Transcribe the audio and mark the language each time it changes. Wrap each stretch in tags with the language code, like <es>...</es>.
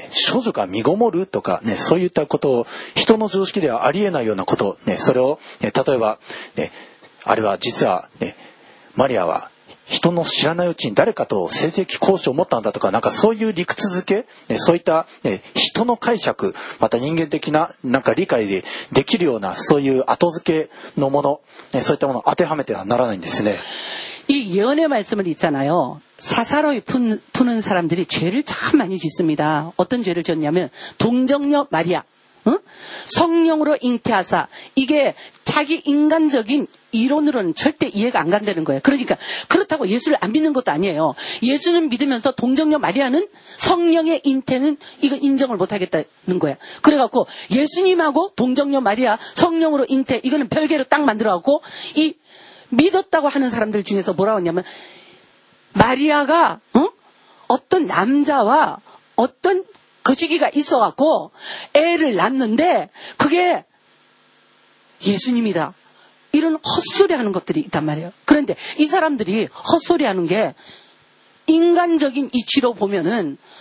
<ja>処女が身ごもるとか、ね、そういったことを人の常識ではありえないようなこと、ね、それを、ね、例えば、ね、あれは実は、ね、マリアは人の知らないうちに誰かと性的交渉を持ったんだとか、なんかそういう理屈付け、そういった、ね、人の解釈、また人間的ななんか理解でできるようなそういう後付けのもの、そういったものを当てはめてはならないんですね。</ja> <ko>이 예언의 말씀을 있잖아요. 사사로이 푸는 사람들이 죄를 참 많이 짓습니다. 어떤 죄를 짓냐면 동정녀 마리아 성령으로 잉태하사 이게 자기 인간적인 이론으로는 절대 이해가 안 간다는 거예요. 그러니까 그렇다고 예수를 안 믿는 것도 아니에요. 예수는 믿으면서 동정녀 마리아는 성령의 잉태는 이거 인정을 못 하겠다는 거예요. 그래갖고 예수님하고 동정녀 마리아 성령으로 잉태 이거는 별개로 딱 만들어갖고 이믿었다고하는사람들중에서뭐라고했냐면마리아가 어떤남자와어떤거시기가있어갖고애를낳는데그게예수님이다이런헛소리하는것들이있단말이에요그런데이사람들이헛소리하는게인간적인이치로보면은</ko>